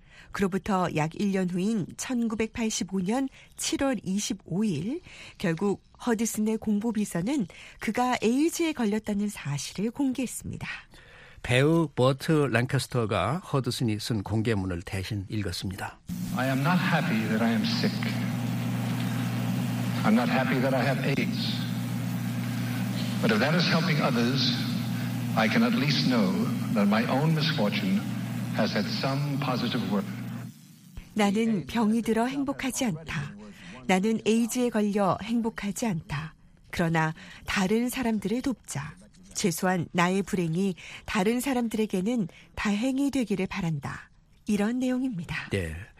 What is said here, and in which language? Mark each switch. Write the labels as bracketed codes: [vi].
[ko] 그로부터 약 1년 후인 1985년 7월 25일 결국 허드슨의 공보비서는 그가 에이즈에 걸렸다는 사실을 공개했습니다. 배우 버트 랭커스터가 허드슨이 쓴 공개문을 대신 읽었습니다. [en] I am not happy that I am sick. I'm not happy that I have AIDS. But if that is helping others, I can at least know that my own misfortune has had some positive work. [ko] 나는 병이 들어 행복하지 않다. 나는 에이즈에 걸려 행복하지 않다. 그러나 다른 사람들을 돕자. 최소한 나의 불행이 다른 사람들에게는 다행이 되기를 바란다. 이런 내용입니다. 네.